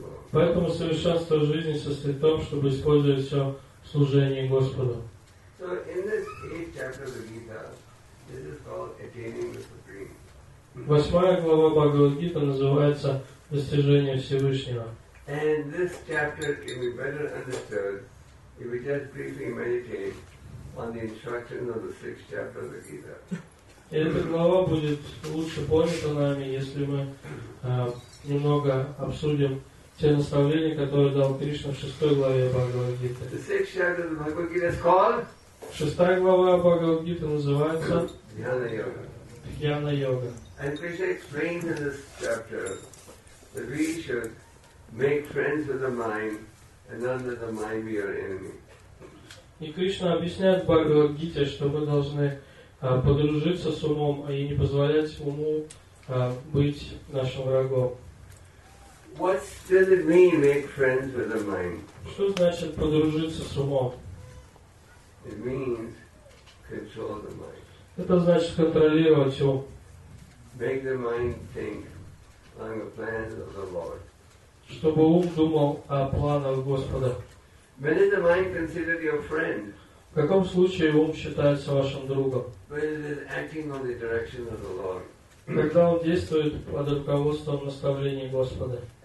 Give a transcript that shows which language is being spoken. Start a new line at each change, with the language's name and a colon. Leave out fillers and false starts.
Russian: Поэтому совершенство жизни состоит в том, чтобы использовать все в служении Господу.
English: So in this eighth chapter of the Gita, this is called attaining the Supreme.
Russian: Восьмая глава Бхагавад-гита называется «Достижение Всевышнего».
English: And this chapter can be better understood if we just briefly meditate on the instructions of the sixth chapter of the Gita.
Russian: Эта глава будет лучше понята нами, если мы немного обсудим те наставления, которые дал Кришна в шестой главе Бхагавад-гиты. Шестая глава Бхагавад-гиты называется Дхьяна-йога.
English: And Krishna explains in this chapter that we should make friends with the mind and not let the mind be our enemy.
Russian: И Кришна объясняет в Бхагавад-гите, что мы должны подружиться с умом и не позволять уму быть нашим врагом.
English: What does it mean, make friends with the mind?
Russian: Что значит подружиться с умом?
English: It means control the mind.
Russian: Это значит контролировать ум.
English: Make the mind think on the plans of the Lord.
Russian: Чтобы ум думал о планах Господа.
English: When is the mind considered your friend?
Russian: В каком случае ум считается вашим другом?
English: When it is acting on the direction of the Lord.
Russian: Когда он действует под руководством наставлений Господа.